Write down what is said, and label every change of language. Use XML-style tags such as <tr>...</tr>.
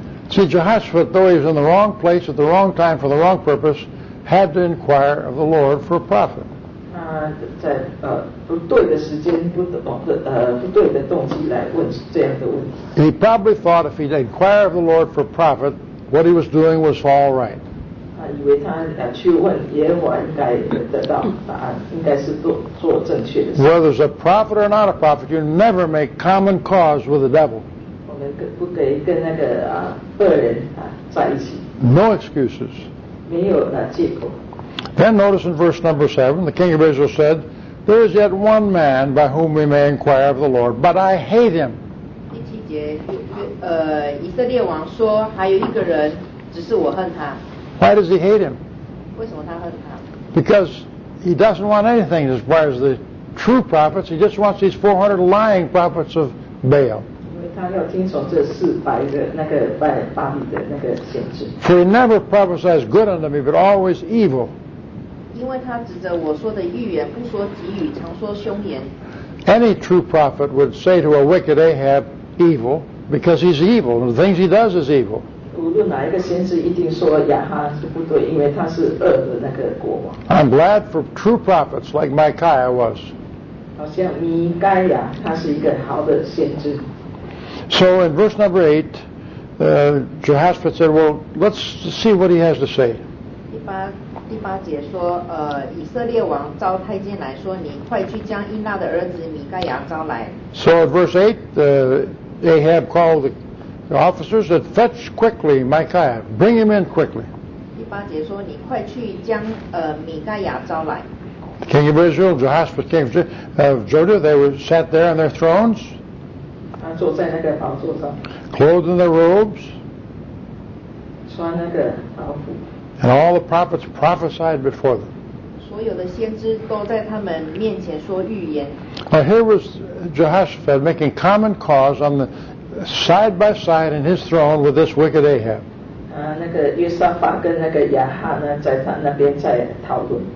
<en>See, Jehoshaphat, though he was in the wrong place at the wrong time for the wrong purpose, had to inquire of the Lord for a prophet.</en> <zh>在不对的时间，不对的动机来问这样的问题。</zh> <en>He probably thought if he'd inquire of the Lord for profit, what he was doing was all right.</en> <zh>以为他去问耶和华应该得到答案，应该是 做正确的事。</zh> <en>Whether's a prophet or not a prophet, you never make common cause with the devil.</en> <zh>我们不可以跟那个恶人在一起。</zh> <en>No excuses.</en> <zh>没有借口。</zh> <en>Then notice in verse number 7, the king of Israel said, there is yet one man by whom we may inquire of the Lord, but I hate him.</en> <zh>第七节，以色列王说，还有一个人，只是我恨他。</zh> <en>Why does he hate him?</en> <zh>为什么他恨他？</zh> <en>Because he doesn't want anything as far as the true prophets. He just wants these 400 lying prophets of Baal.</en> <zh>因为他要听从这400个那个拜巴利的那个先知。</zh> <en>For he never prophesies good unto me, but always evil.</en> <zh>因为他指着我说的预言，不说吉语，常说凶言。</zh> <en>Any true prophet would say to a wicked Ahab, evil, because he's evil, and the things he does is evil.</en> <zh>无论哪一个先知一定说亚哈是不对，因为他是恶的那个国王。</zh> <en>I'm glad for true prophets like Micaiah was.</en> <zh>好像米该亚，他是一个好的先知。</zh> <en>So in verse number 8, Jehoshaphat said, well, let's see what he has to say.</en> <zh>第八节说，以色列王召太监来说，你快去将伊纳的儿子米盖亚召来。</zh> <en>So at verse 8, Ahab called the officers and fetch quickly Micaiah, bring him in quickly.</en> <zh>第八节说，你快去将米盖亚召来。</zh> <en>King of Israel, Jehoshaphat, king of Judah, they were sat there on their thrones.</en> <zh>他坐在那个宝座上。</zh> <en>Clothed in their robes.</en> <zh>穿那个袍服。</zh> <en>And all the prophets prophesied before them.</en> <zh>所有的先知都在他们面前说预言。</zh> <en>Now here was Jehoshaphat making common cause on the side by side in his throne with this wicked Ahab.</en> <zh>那个约沙法跟那个亚哈呢，在他那边在讨论。</zh>